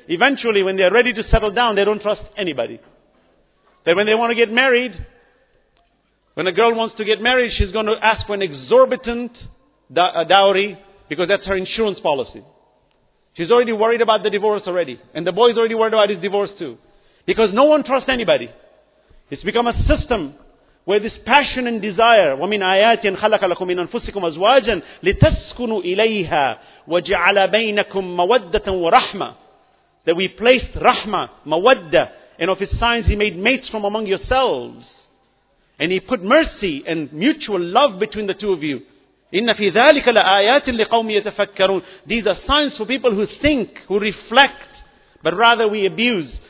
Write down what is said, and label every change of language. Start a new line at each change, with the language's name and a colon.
English: Eventually, when they're ready to settle down, they don't trust anybody. Then when they want to get married, when a girl wants to get married, she's going to ask for an exorbitant dowry because that's her insurance policy. She's already worried about the divorce already. And the boy's already worried about his divorce too. Because no one trusts anybody. It's become a system where this passion and desire,
Arabic: وَمِنْ آيَاتٍ خَلَقَ لَكُمْ مِنْ أَنفُسِكُمْ أَزْوَاجًا لِتَسْكُنُوا إِلَيْهَا وَجَعَلَ بَيْنَكُمْ مَوَدَّةً وَرَحْمَةً.
English: That we placed rahma, mawadda, and of its signs He made mates from among yourselves. And He put mercy and mutual love between the two of you.
Arabic: إِنَّ فِي ذَلِكَ لَآيَاتٍ لِقَوْمِ يَتَفَكَّرُونَ.
English: These are signs for people who think, who reflect, but rather we abuse.